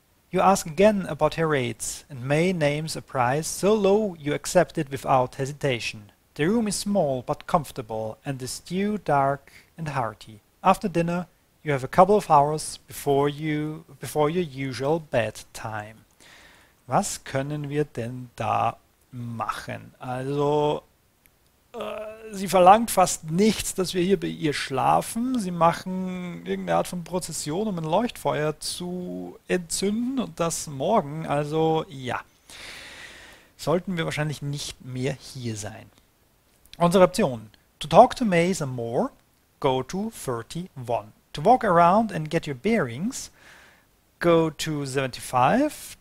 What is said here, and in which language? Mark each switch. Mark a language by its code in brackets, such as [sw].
[en] You ask again about her rates, and May names a price so low you accept it without hesitation. The room is small but comfortable, and the stew dark and hearty. After dinner, you have a couple of hours before your usual bedtime. [de] Was können wir denn da machen? Also, sie verlangt fast nichts, dass wir hier bei ihr schlafen. Sie machen irgendeine Art von Prozession, um ein Leuchtfeuer zu entzünden und das morgen. Also, ja, sollten wir wahrscheinlich nicht mehr hier sein. Unsere Option. [en] To talk to May some more, go to 31. To walk around and get your bearings, go to 75.